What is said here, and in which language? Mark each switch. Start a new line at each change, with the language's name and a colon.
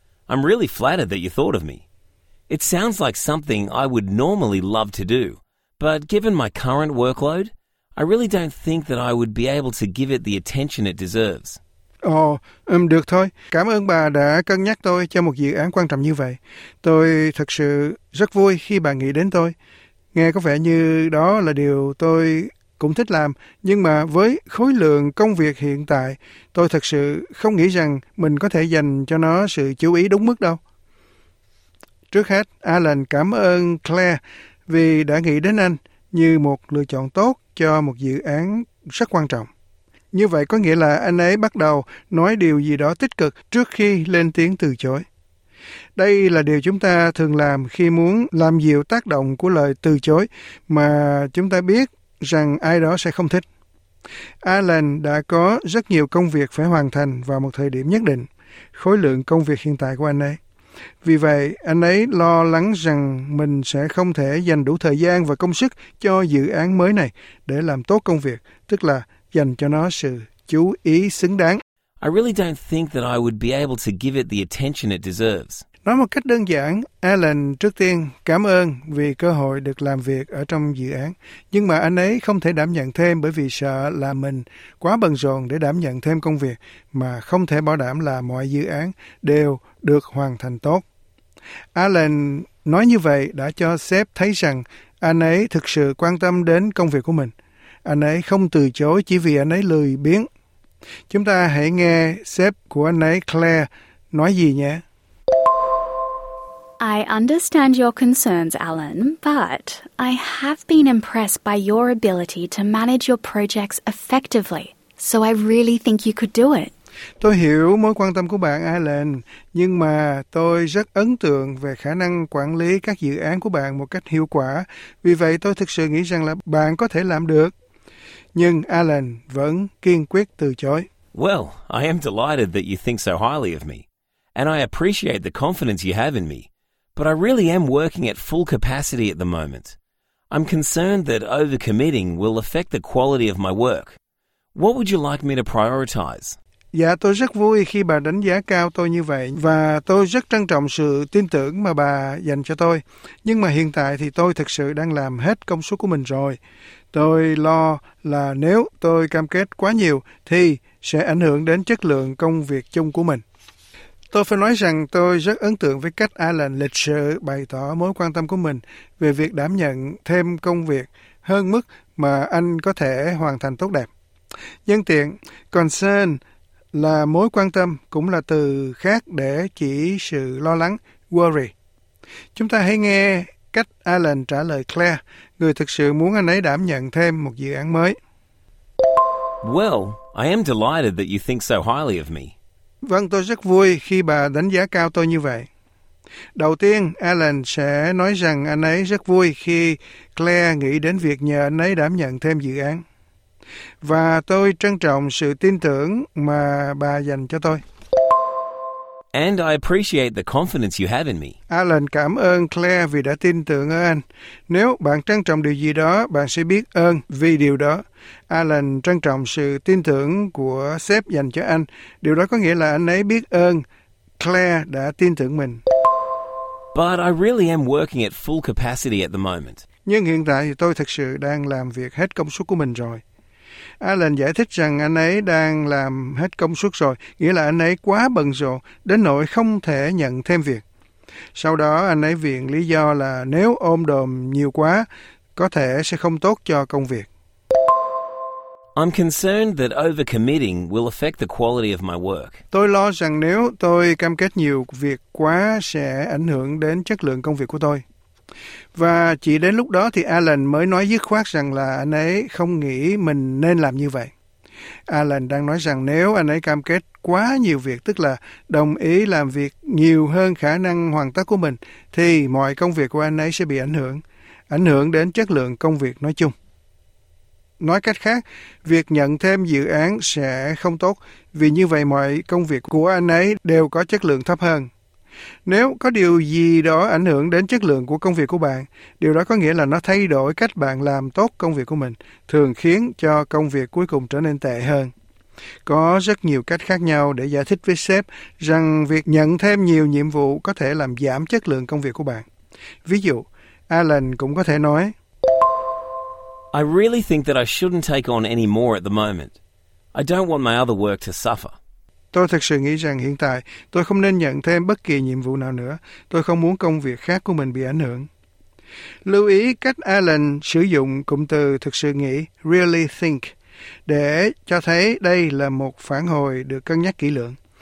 English: I'm really flattered that you thought of me. It sounds like something I would normally love to do, but given my current workload, I really don't think that I would be able to give it the attention it deserves.
Vietnamese: Được thôi. Cảm ơn bà đã cân nhắc tôi cho một dự án quan trọng như vậy. Tôi thật sự rất vui khi bà nghĩ đến tôi. Nghe có vẻ như đó là điều tôi cũng thích làm, nhưng mà với khối lượng công việc hiện tại, tôi thật sự không nghĩ rằng mình có thể dành cho nó sự chú ý đúng mức đâu. Trước hết, Alan cảm ơn Claire vì đã nghĩ đến anh như một lựa chọn tốt cho một dự án rất quan trọng. Như vậy có nghĩa là anh ấy bắt đầu nói điều gì đó tích cực trước khi lên tiếng từ chối. Đây là điều chúng ta thường làm khi muốn làm dịu tác động của lời từ chối mà chúng ta biết rằng ai đó sẽ không thích. Alan đã có rất nhiều công việc phải hoàn thành vào một thời điểm nhất định, khối lượng công việc hiện tại của anh ấy. Vì vậy, anh ấy lo lắng rằng mình sẽ không thể dành đủ thời gian và công sức cho dự án mới này để làm tốt công việc, tức là dành cho nó sự chú ý xứng đáng.
English: I really don't think that I would be able to give it the attention it deserves.
Vietnamese: Nói một cách đơn giản, Alan trước tiên cảm ơn vì cơ hội được làm việc ở trong dự án, nhưng mà anh ấy không thể đảm nhận thêm bởi vì sợ là mình quá bận rộn để đảm nhận thêm công việc mà không thể bảo đảm là mọi dự án đều được hoàn thành tốt. Alan nói như vậy đã cho sếp thấy rằng anh ấy thực sự quan tâm đến công việc của mình. Anh ấy không từ chối chỉ vì anh ấy lười biếng. Chúng ta hãy nghe sếp của anh ấy, Claire, nói gì nhé.
English: I understand your concerns, Alan, but I have been impressed by your ability to manage your projects effectively, so I really think you could do it.
Vietnamese: Tôi hiểu mối quan tâm của bạn, Alan, nhưng mà tôi rất ấn tượng về khả năng quản lý các dự án của bạn một cách hiệu quả. Vì vậy, tôi thực sự nghĩ rằng là bạn có thể làm được. Nhưng Alan vẫn kiên quyết từ chối.
English: Well, I am delighted that you think so highly of me, and I appreciate the confidence you have in me. But I really am working at full capacity at the moment. I'm concerned that overcommitting will affect the quality of my work. What would you like me to prioritize?
Vietnamese: Dạ, tôi rất vui khi bà đánh giá cao tôi như vậy và tôi rất trân trọng sự tin tưởng mà bà dành cho tôi. Nhưng mà hiện tại thì tôi thực sự đang làm hết công suất của mình rồi. Tôi lo là nếu tôi cam kết quá nhiều thì sẽ ảnh hưởng đến chất lượng công việc chung của mình. Tôi phải nói rằng tôi rất ấn tượng với cách Alan lịch sự bày tỏ mối quan tâm của mình về việc đảm nhận thêm công việc hơn mức mà anh có thể hoàn thành tốt đẹp. Nhân tiện, concern là mối quan tâm, cũng là từ khác để chỉ sự lo lắng, worry. Chúng ta hãy nghe cách Alan trả lời Claire, người thực sự muốn anh ấy đảm nhận thêm một dự án mới.
English: Well, I am delighted that you think so highly of me.
Vietnamese: Vâng, tôi rất vui khi bà đánh giá cao tôi như vậy. Đầu tiên, Alan sẽ nói rằng anh ấy rất vui khi Claire nghĩ đến việc nhờ anh ấy đảm nhận thêm dự án. Và tôi trân trọng sự tin tưởng mà bà dành cho tôi.
English: And I appreciate the confidence you have in me.
Vietnamese: Alan cảm ơn Claire vì đã tin tưởng ở anh. Nếu bạn trân trọng điều gì đó, bạn sẽ biết ơn vì điều đó. Alan trân trọng sự tin tưởng của sếp dành cho anh. Điều đó có nghĩa là anh ấy biết ơn Claire đã tin tưởng mình.
English: But I really am working at full capacity at the moment.
Vietnamese: Nhưng hiện tại thì tôi thực sự đang làm việc hết công suất của mình rồi. Alan giải thích rằng anh ấy đang làm hết công suất rồi, nghĩa là anh ấy quá bận rộn đến nỗi không thể nhận thêm việc. Sau đó anh ấy viện lý do là nếu ôm đồm nhiều quá, có thể sẽ không tốt cho công việc.
English: I'm concerned that overcommitting will affect the quality of my work.
Vietnamese: Tôi lo rằng nếu tôi cam kết nhiều việc quá sẽ ảnh hưởng đến chất lượng công việc của tôi. Và chỉ đến lúc đó thì Alan mới nói dứt khoát rằng là anh ấy không nghĩ mình nên làm như vậy. Alan đang nói rằng nếu anh ấy cam kết quá nhiều việc, tức là đồng ý làm việc nhiều hơn khả năng hoàn tất của mình, thì mọi công việc của anh ấy sẽ bị ảnh hưởng đến chất lượng công việc nói chung. Nói cách khác, việc nhận thêm dự án sẽ không tốt, vì như vậy mọi công việc của anh ấy đều có chất lượng thấp hơn. Nếu có điều gì đó ảnh hưởng đến chất lượng của công việc của bạn, điều đó có nghĩa là nó thay đổi cách bạn làm tốt công việc của mình, thường khiến cho công việc cuối cùng trở nên tệ hơn. Có rất nhiều cách khác nhau để giải thích với sếp rằng việc nhận thêm nhiều nhiệm vụ có thể làm giảm chất lượng công việc của bạn. Ví dụ, Alan cũng có thể nói:
English: I really think that I shouldn't take on any more at the moment. I don't want my other work to suffer.
Vietnamese: Tôi thực sự nghĩ rằng hiện tại tôi không nên nhận thêm bất kỳ nhiệm vụ nào nữa. Tôi không muốn công việc khác của mình bị ảnh hưởng. Lưu ý cách Alan sử dụng cụm từ thực sự nghĩ,
English: really think,
Vietnamese: để cho thấy đây là một phản hồi được cân nhắc kỹ lưỡng.